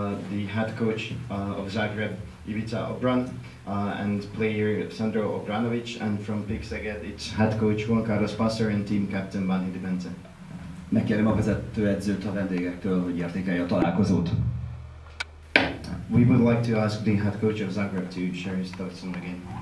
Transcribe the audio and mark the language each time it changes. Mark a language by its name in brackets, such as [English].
[English] The head coach of Zagreb, Ivica Obran, and player Sandro Obradovic, and from Pik Szeged, its head coach Juan Carlos Pastor and team captain Bánhidi Bence. [Hungarian] Megkérem a vezetőedzőt a vendégektől, hogy értékelje a találkozót. [English] We would like to ask the head coach of Zagreb to share his thoughts on the game.